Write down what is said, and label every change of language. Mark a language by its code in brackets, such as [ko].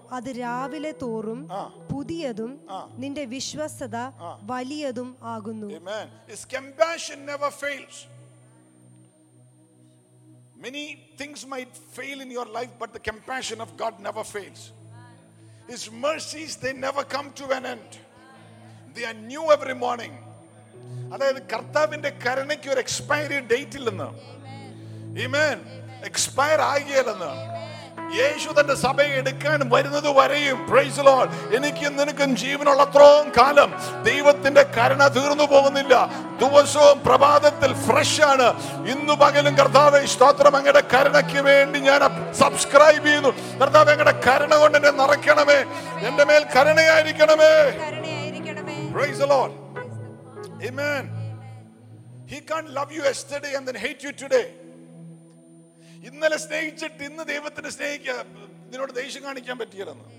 [ml] അത് രാവിലെ തോറും പുതിയതും നിന്റെ വിശ്വസ്തത വലിയതും ആകുന്നു. [en] ആമേൻ. His compassion never fails. Many things might fail in your life, but the compassion of God never fails. His mercies, they never come to an end. They are new every morning. [ml] അതായത് കർത്താവിന്റെ കരുണയ്ക്ക് ഒരു expiry date ഇല്ലെന്ന്. ആമേൻ. Expire ആകിയല്ലെന്ന്. യേശു തന്റെ സഭയെ എടുക്കാൻ വരുന്നത് വരെയും, പ്രൈസ് ദി ലോർഡ്, എനിക്കും നിനക്കും ജീവനുള്ളത്രോം കാലം ദൈവത്തിന്റെ കരുണ തീർന്നു പോകുന്നില്ല. ദിവസവും പ്രഭാതത്തിൽ ഫ്രഷ് ആണ്. ഇന്നു പകലും കർത്താവെ സ്തോത്രം, അങ്ങയുടെ കരുണയ്ക്ക് വേണ്ടി ഞാൻ സബ്സ്ക്രൈബ് ചെയ്യുന്നു. കർത്താവെ, അങ്ങയുടെ കരുണ കൊണ്ട് എന്നെ നിറയ്ക്കണമേ. എന്റെ മേൽ കരുണയായിരിക്കണമേ. Praise the Lord. Amen. [en] He can't love you yesterday and then hate you today. [ml] ഇന്നലെ സ്നേഹിച്ചിട്ട് ഇന്ന് ദൈവത്തിനെ സ്നേഹിക്കാൻ നിന്നോട് ദേഷ്യം കാണിക്കാൻ പറ്റിയല്ലോ.